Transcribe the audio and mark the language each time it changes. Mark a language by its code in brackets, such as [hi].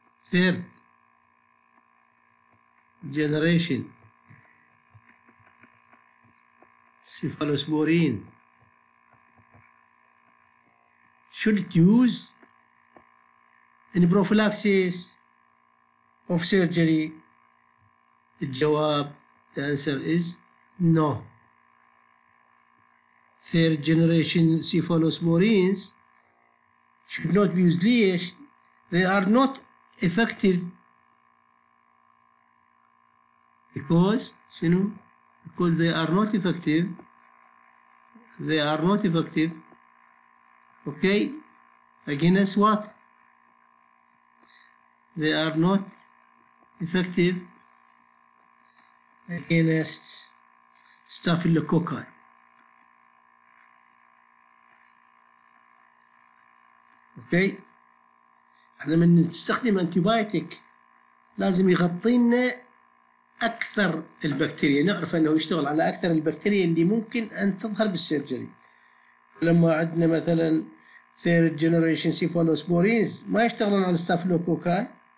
[en] third generation cephalosporin should it use in prophylaxis of surgery [ar] الجواب [en] the answer is no Third generation cephalosporins should not be used. [ar] Leash. [en] They are not effective because they are not effective. They are not effective. Okay. Against what? They are not effective against staphylococci. [ar] اوكي احنا من نستخدم انتيبايتك لازم يغطينا اكثر البكتيريا نعرف انه يشتغل على اكثر البكتيريا اللي ممكن ان تظهر بالسيرجري لما عندنا مثلا ثيرد جنريشن سيفالوسبورينز ما يشتغلون على الستافلوكوكاي